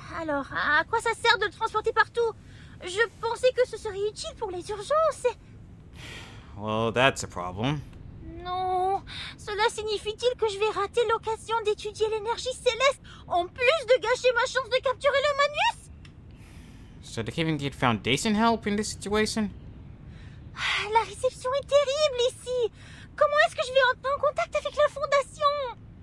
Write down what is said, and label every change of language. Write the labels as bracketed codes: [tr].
[fr] Alors, à quoi ça sert de le transporter partout? Je pensais que ce serait utile pour les urgences. [en] Well, that's a problem. [fr] Non, cela signifie-t-il que je vais rater l'occasion d'étudier l'énergie céleste, en plus de gâcher ma chance de capturer le Manus? [en] So the Caving Gate Foundation help in this situation? [fr] La réception est terrible ici! Comment est-ce que je vais entrer en contact avec la Fondation?